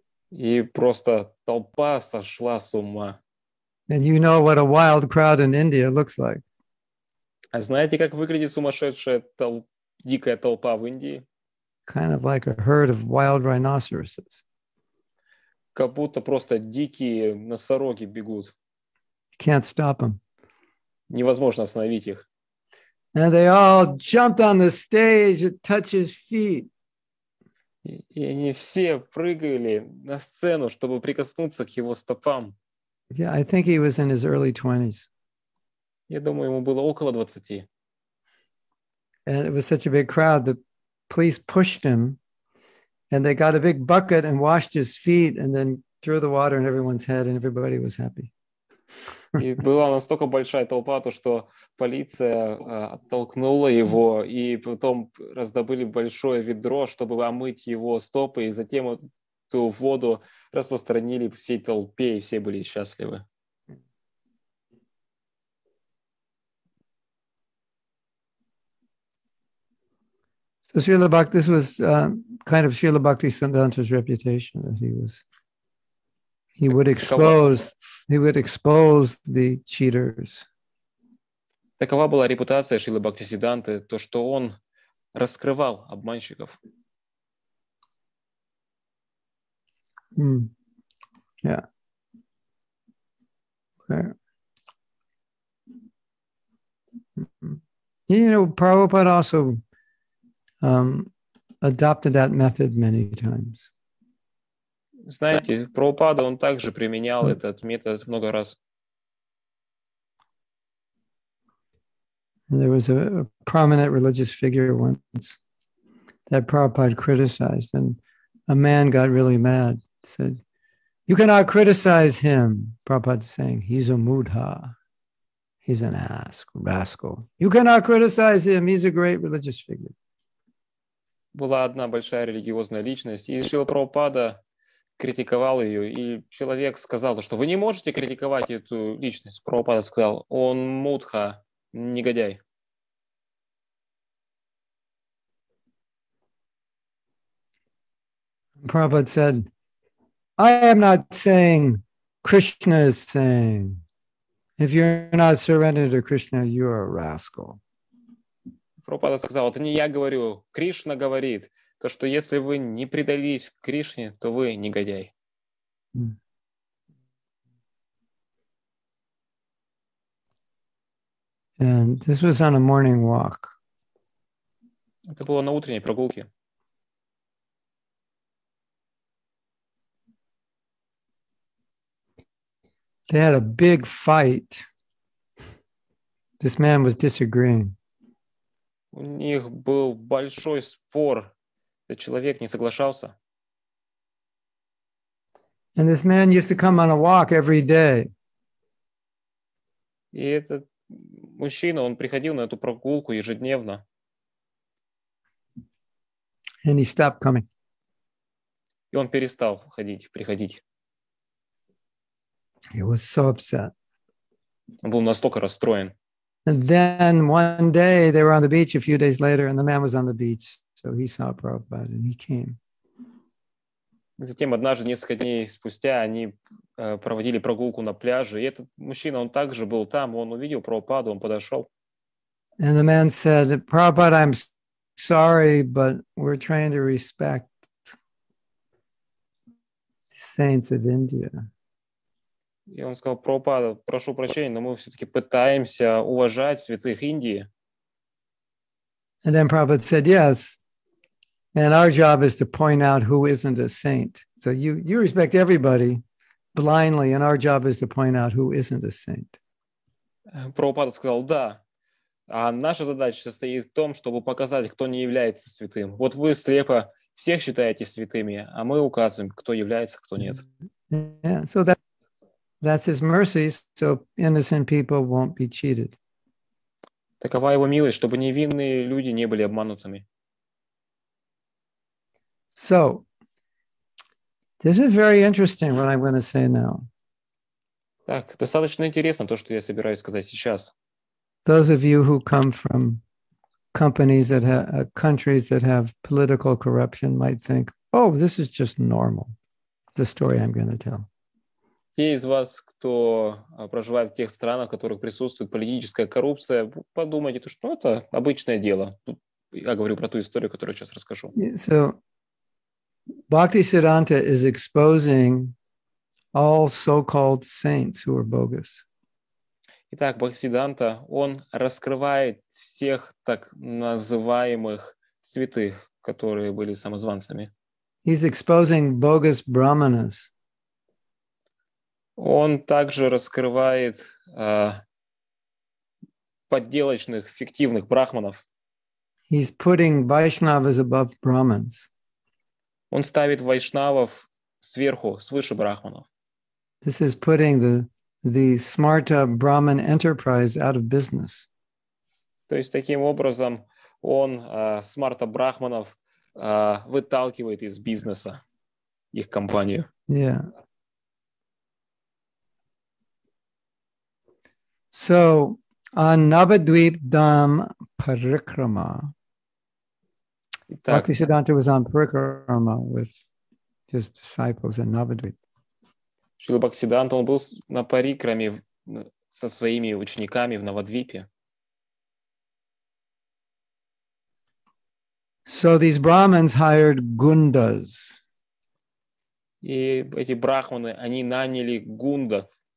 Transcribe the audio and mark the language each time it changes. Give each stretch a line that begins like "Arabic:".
Russian: И просто толпа сошла с ума.
English: And you know what a wild crowd in India looks like.
Russian: А знаете, как выглядит сумасшедшая дикая толпа в Индии?
English: Kind of like a herd of wild rhinoceroses.
Russian: Как будто просто дикие носороги бегут.
English: Can't stop them.
Russian: Невозможно остановить их.
English: And they all jumped on the stage and touched his feet.
Russian: И они все прыгали на сцену, чтобы прикоснуться к его стопам.
English: Yeah, I think he was in his early 20s.
Russian: Я думаю, ему было около 20.
English: And it was such a big crowd that police pushed him and they got a big bucket and washed his feet and then threw the water in everyone's head and everybody was happy.
Russian: И была настолько большая толпа, то что полиция оттолкнула его и потом раздобыли большое ведро, чтобы омыть его стопы, и затем эту воду распространили всей толпе, и все были счастливы.
English: So Srila Bhakti, this was kind of Srila Bhakti Siddhanta's reputation that he was. He would expose the cheaters.
Russian: Такова была репутация Шрилы Бхактисиддханты, то что он раскрывал обманщиков.
English: Yeah. Okay. You know, Prabhupada also adopted that method many times.
Russian: Знаете, Прабхупада, он также применял этот метод много раз.
English: There was a prominent religious figure once that Prabhupada criticized, and a man got really mad, said, "You cannot criticize him." Prabhupada saying, "He's a mudha. He's an ass, rascal. You cannot criticize him. He's a great religious figure."
Russian: Была одна большая религиозная личность, и Шрила Прабхупада критиковал ее, и человек сказал, что вы не можете критиковать эту личность. Прабхупада сказал, он мудха, негодяй.
English: Prabhupada said, I am not saying Krishna is saying, if you're not surrendered to Krishna, you're a rascal.
Russian: Прабхупада сказал, это не я говорю, Кришна говорит. То, что если вы не предались Кришне, то вы негодяй.
English: And this was on a morning walk.
Russian: Это было на утренней прогулке.
English: They had a big fight. This man was disagreeing.
Russian: У них был большой спор. Этот человек не соглашался.
English: And this man used to come on a walk every day.
Russian: И этот мужчина, он приходил на эту прогулку ежедневно.
English: And he stopped coming.
Russian: И он перестал ходить, приходить.
English: He was so upset.
Russian: Он был настолько расстроен.
English: And then one day they were on the beach a few days later and the man was on the beach. So he saw Prabhupada and he came.
Russian: Затем однажды несколько дней спустя они проводили прогулку на пляже, и этот мужчина, он также был там, он увидел Прабхупаду, он подошел.
English: And the man said, "Prabhupada, I'm sorry, but we're trying to respect the saints of India."
Russian: И он сказал, "Прабхупада, прошу прощения, но мы все-таки пытаемся уважать святых Индии."
English: And then Prabhupada said, "Yes. And our job is to point out who isn't a saint. So you respect everybody blindly, and our job is to point out who isn't a saint."
Russian: Прабхупада сказал, да. А наша задача состоит в том, чтобы показать, кто не является святым. Вот вы слепо всех считаете святыми, а мы указываем, кто является, кто нет.
English: Yeah, so that's his mercy, so innocent people won't be cheated.
Russian: Такова его милость, чтобы невинные люди не были обманутыми.
English: So, this is very interesting what I'm going to say now.
Russian: Так, достаточно интересно то, что я собираюсь сказать сейчас.
English: Those of you who come from companies that have countries that have political corruption might think, "Oh, this is just normal." The story I'm going to tell.
Russian: Те из вас, кто проживает в тех странах, в которых присутствует политическая коррупция, подумайте, что ну, это обычное дело. Я говорю про ту историю, которую сейчас расскажу.
English: So, Bhaktisiddhanta is exposing all so-called saints who are bogus.
Russian: Итак, Бхактисиддханта, он раскрывает всех так называемых святых, которые были самозванцами.
English: He's exposing bogus brahmanas.
Russian: Он также раскрывает подделочных, фиктивных брахманов.
English: He's putting Vaishnavas above Brahmins.
Russian: Он ставит вайшнавов сверху, свыше брахманов.
English: This is putting the smarta Brahmin enterprise out of business.
Russian: То есть таким образом он смарта брахманов выталкивает из бизнеса их компанию.
English: Yeah. So, on Navadvip Dham Parikrama,
Russian: Итак,
English: Bhaktisiddhanta was on Parikrama with his disciples in Navadvip.
Russian: Шрила Бхактисиддханта, он был на Парикраме со своими учениками в Навадвипе.
English: So these Brahmins hired Gundas.
Russian: И эти брахманы, они наняли Гунда.